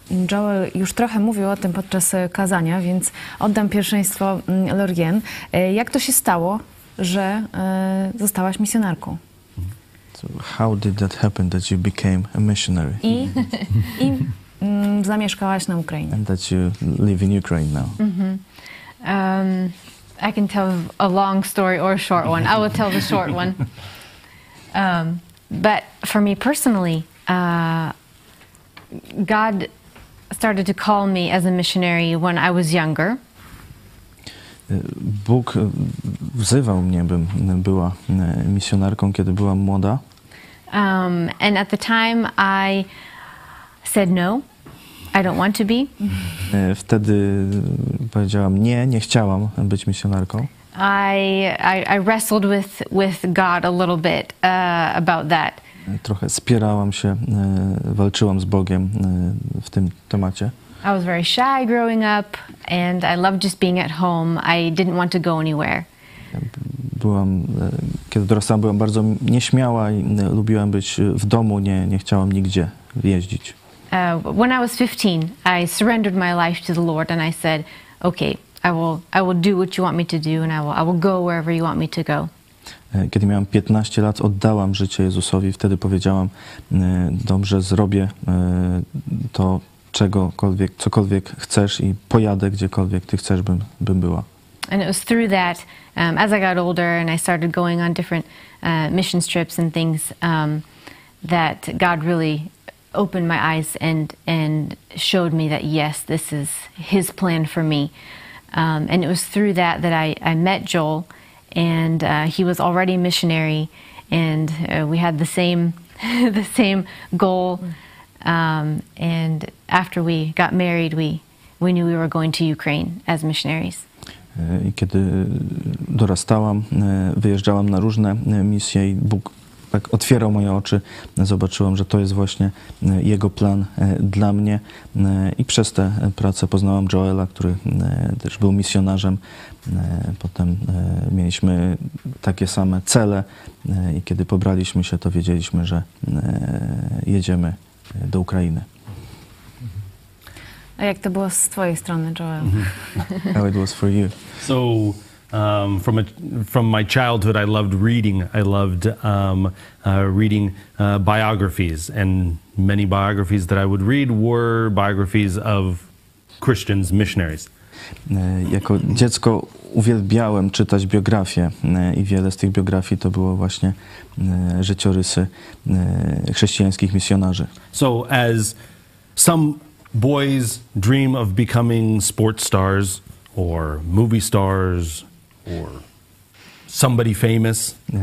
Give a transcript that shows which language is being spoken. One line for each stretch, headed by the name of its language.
Polish: Joel już trochę mówił o tym podczas kazania, więc oddam pierwszeństwo Lorien. Jak to się stało, że zostałaś misjonarką.
English: So how did that happen that you became a missionary?
Polish: I zamieszkałaś na Ukrainie.
English: And that you live in Ukraine now. Mm-hmm. I can tell a long story or a short one. I will tell the short one. But for me personally, God started to call me as a missionary when I was younger.
Polish: Bóg wzywał mnie, bym była misjonarką, kiedy byłam młoda.
English: And at the time I said no, I don't want to be.
Polish: Wtedy powiedziałam nie, nie chciałam być misjonarką.
English: I wrestled with God a little bit about that.
Polish: Trochę spierałam się, walczyłam z Bogiem w tym temacie.
English: I was very shy growing up and I loved just being at home. I didn't want to go anywhere.
Polish: Byłam, kiedy dorastałam, byłam bardzo nieśmiała i lubiłam być w domu, nie chciałam nigdzie jeździć.
English: When I was 15, I surrendered my life to the Lord and I said, okay, I will do what you want me to do and I will go wherever you want me to go.
Polish: Kiedy miałam 15 lat, oddałam życie Jezusowi. Wtedy powiedziałam, dobrze, zrobię to, czegokolwiek, cokolwiek chcesz i pojadę gdziekolwiek ty chcesz, bym była.
English: And it was through that, as I got older and I started going on different mission trips and things, that God really opened my eyes and showed me that yes, this is His plan for me. And it was through that I met Joel, and he was already a missionary, and we had the same the same goal. And after we got married, we knew we were going to Ukraine as missionaries.
Polish: I kiedy dorastałam, wyjeżdżałam na różne misje i Bóg tak otwierał moje oczy. Zobaczyłam, że to jest właśnie Jego plan dla mnie. I przez tę pracę poznałam Joela, który też był misjonarzem. Potem mieliśmy takie same cele i kiedy pobraliśmy się, to wiedzieliśmy, że jedziemy do Ukrainy. A jak to było z twojej strony, Joel?
English: Mm-hmm. How it was for you? So, from my childhood, I loved reading. I loved reading biographies, and many biographies that I would read were biographies of Christians, missionaries.
Polish: Jako dziecko uwielbiałem czytać biografie i wiele z tych biografii to było właśnie życiorysy chrześcijańskich misjonarzy.
English: So, as some boys dream of becoming sports stars or movie stars or somebody famous.